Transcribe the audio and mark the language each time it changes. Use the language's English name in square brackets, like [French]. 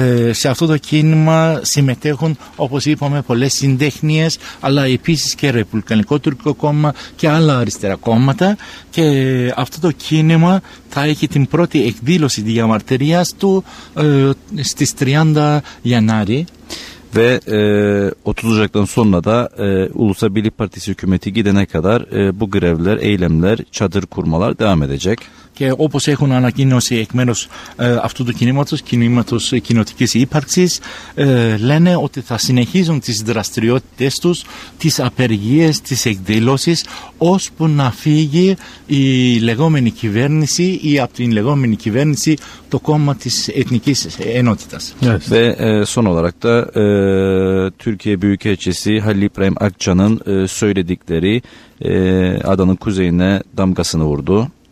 [Greek] Σε αυτό το κίνημα συμμετέχουν, όπως είπαμε, πολλές συντέχνιες, αλλά επίσης και Ρεπουμπλικανικό Τουρκικό Κόμμα και άλλα αριστερά κόμματα. Και αυτό το κίνημα θα έχει την πρώτη εκδήλωση διαμαρτυρίας του στις 30 Γενάρη. [Turkish] Ve 30 Ocak'tan sonra da Ulusal Birlik Partisi hükümeti gidene kadar bu grevler, eylemler, çadır kurmalar devam edecek. [Greek] Και όπως έχουν ανακοινώσει εκ μέρους αυτού του κινήματος, κινήματος κοινοτικής ύπαρξης, λένε ότι θα συνεχίζουν τις δραστηριότητες τους, τις απεργίες, τις εκδηλώσεις, ώσπου να φύγει η λεγόμενη κυβέρνηση ή από την λεγόμενη κυβέρνηση το κόμμα της Εθνικής Ενότητας. [Turkish] Ve son olarak da Türkiye Büyükelçisi Halil İbrahim Akça'nın söyledikleri adanın kuzeyine damgasını vurdu.